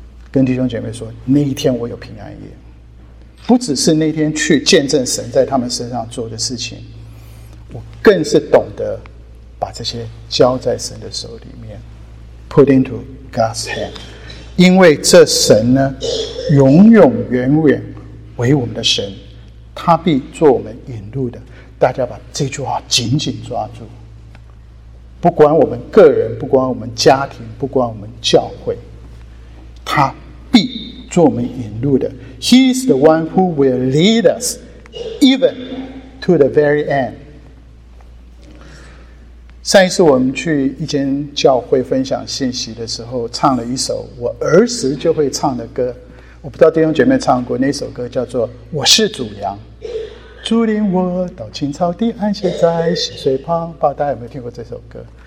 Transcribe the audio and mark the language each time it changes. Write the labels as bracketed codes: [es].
[zh] 跟弟兄姐妹说，那一天我有平安夜，不只是那天去见证神在他们身上做的事情，我更是懂得把这些交在神的手里面， [en] put into God's hand， [zh] 因为这神呢，永永远远为我们的神，他必做我们引路的。大家把这句话紧紧抓住，不管我们个人，不管我们家庭，不管我们教会，他必做我们引路的。 [en] He is the one who will lead us even to the very end。 [zh] 上一次我们去一间教会分享信息的时候，唱了一首我儿时就会唱的歌，我不知道弟兄姐妹唱过，那首歌叫做我是主羊，主领我到青草地安歇在溪水旁，不知道大家有没有听过这首歌。